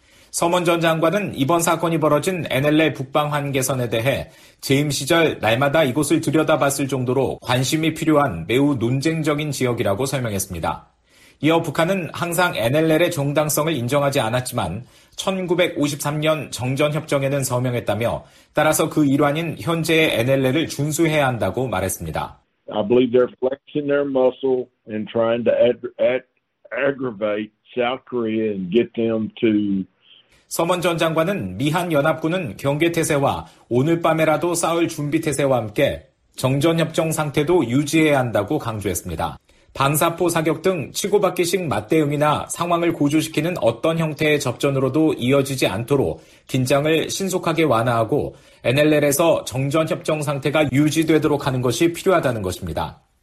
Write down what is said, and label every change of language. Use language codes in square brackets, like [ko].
[ko] 서먼 전 장관은 이번 사건이 벌어진 NLL 북방환계선에 대해 재임 시절 날마다 이곳을 들여다봤을 정도로 관심이 필요한 매우 논쟁적인 지역이라고 설명했습니다. 이어 북한은 항상 NLL의 정당성을 인정하지 않았지만 1953년 정전협정에는 서명했다며 따라서 그 일환인 현재의 NLL을 준수해야 한다고 말했습니다. [en] I believe they're flexing their muscle and trying to aggravate South Korea and get them to [ko] 서먼 전 장관은 미한연합군은 경계태세와 오늘 밤에라도 싸울 준비태세와 함께 정전협정 상태도 유지해야 한다고 강조했습니다. 방사포 사격 등 치고받기식 맞대응이나 상황을 고조시키는 어떤 형태의 접전으로도 이어지지 않도록 긴장을 신속하게 완화하고 NLL에서 정전협정 상태가 유지되도록 하는 것이 필요하다는 것입니다.